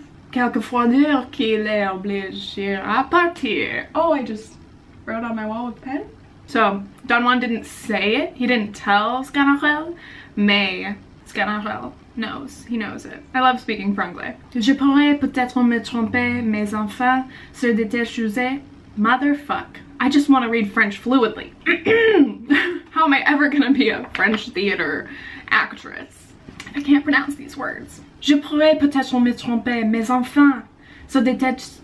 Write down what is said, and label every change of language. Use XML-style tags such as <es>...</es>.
<fr>Quelque froideur qui les oblige à partir.</fr> <en>Oh, I just wrote on my wall with a pen. So, Don Juan didn't say it. He didn't tell Scanarel. Mais Scanarel knows. He knows it. I love speaking Franglais.</en> <fr>Je pourrais peut-être me tromper, mais enfin, sur de telles choses.</fr> <en>Motherfuck. I just want to read French fluidly. How am I ever going to be a French theater actress? I can't pronounce these words.</en> <fr>Je pourrais peut-être me tromper, mais enfin, sur de telles...</fr>